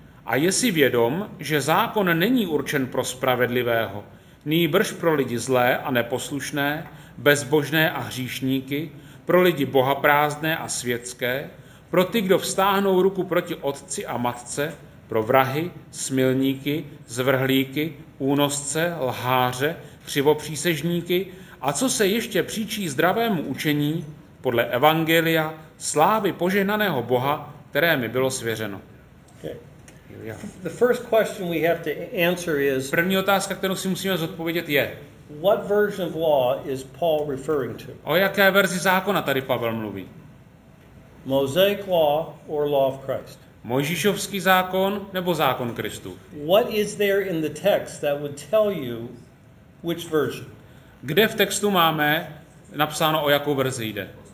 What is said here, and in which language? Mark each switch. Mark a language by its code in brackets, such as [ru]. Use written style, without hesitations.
[cs] A je si vědom, že zákon není určen pro spravedlivého, nýbrž pro lidi zlé a neposlušné, bezbožné a hříšníky, pro lidi bohaprázdné a světské, pro ty, kdo vztáhnou ruku proti otci a matce, pro vrahy, smilníky, zvrhlíky, únosce, lháře, křivopřísežníky a co se ještě příčí zdravému učení podle evangelia slávy požehnaného Boha, které mi bylo svěřeno. [en] Yeah. The first question we have to answer is, [cs] první otázka, kterou si musíme zodpovědět, je, [en] what version of law is Paul referring to? [cs] O jaké verzi zákona tady Pavel mluví? [en] Mosaic law or law of Christ? [cs] Mojžíšovský zákon nebo zákon Kristův? [en] What is there in the text that would tell you which version? [cs] Kde v textu máme napsáno, o jakou verzi jde?